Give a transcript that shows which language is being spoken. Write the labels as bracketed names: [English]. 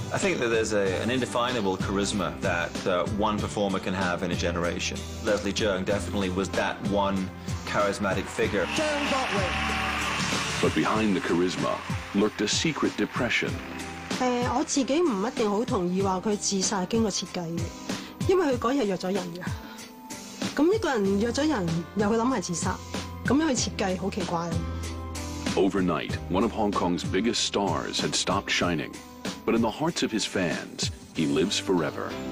[English] I think that there's an indefinable charisma that one performer can have in a generation. Leslie Cheung definitely was that one charismatic figure. But behind the charisma lurked a secret depression. [Cantonese] 我自己唔一定好同意话佢自杀经过设计嘅，因为佢嗰日约咗人嘅。咁一个人约咗人，又去谂系自杀，咁样去设计好奇怪。 [English] Overnight, one of Hong Kong's biggest stars had stopped shining. But in the hearts of his fans, he lives forever.